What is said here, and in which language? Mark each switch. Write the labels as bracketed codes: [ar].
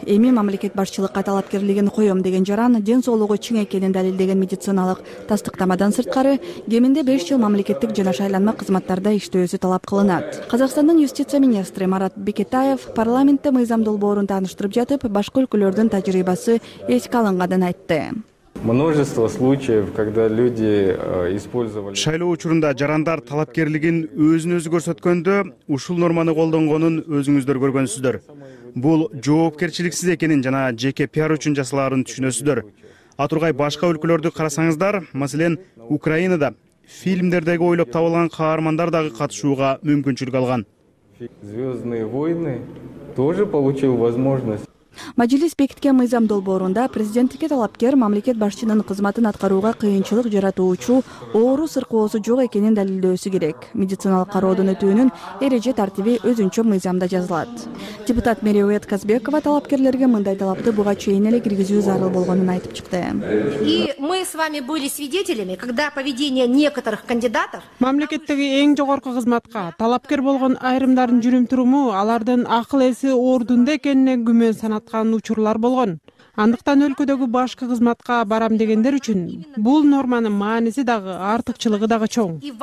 [ky] Эми мамлекет башчылыкка талапкерлигин коем деген жаран ден соолугу чың экенин далилдеген медициналык тастыктамадан сырткары кеминде 5 жыл мамлекеттик жана шайланма кызматтарда иштөөсү талап кылынат. Казакстандын юстиция министри Марат Бекетаев парламентте мыйзам долбоорун тааныштырып жатып, башка өлкөлөрдүн тажрыйбасы эске алынганын айтты. [ru] Множество случаев, когда люди использовали [ky] шайлоо учурунда жарандар талапкерлигин өзүн өзү көрсөткөндө ушул норманы колдонгонун өзүңүздөр көргөнсүздөр. Бул жоопкерчиликсиз экенин жана жеке пиар үчүн жасаларын түшүнөсүздөр. Атургай башка өлкөлөрдү карасаңыздар, маселен, Украинада фильмдердеги ойлоп табылган каармандар дагы катышууга мүмкүнчүлүк алган. [ru] Звёздные войны тоже получил возможность. [ky] Мажилис бекиткен мыйзам долбоорунда президенттикке талапкер мамлекет башчынын кызматын аткарууга кыйынчылык жаратуучу оору сыркоосу жок экенин далилдөөсү керек. Медициналык кароодон өтүүнүн эреже тартиби өзүнчө мыйзамда жазылат. Депутат Мереует Казбекова талапкерлерге мындай талапты буга чейин эле киргизүү зарыл болгонун айтып чыкты. [ru] И мы с вами были свидетелями, когда поведение некоторых кандидатов [ky] мамлекеттеги эң жогорку кызматка талапкер болгон айрымдардын жүрүм-туруму алардын акыл эси ордунда экенине күмөн аткан учурлар болгон. Андыктан өлкөдөгү башкы кызматка барам дегендер үчүн бул норманын мааниси дагы, артыкчылыгы дагы чоң.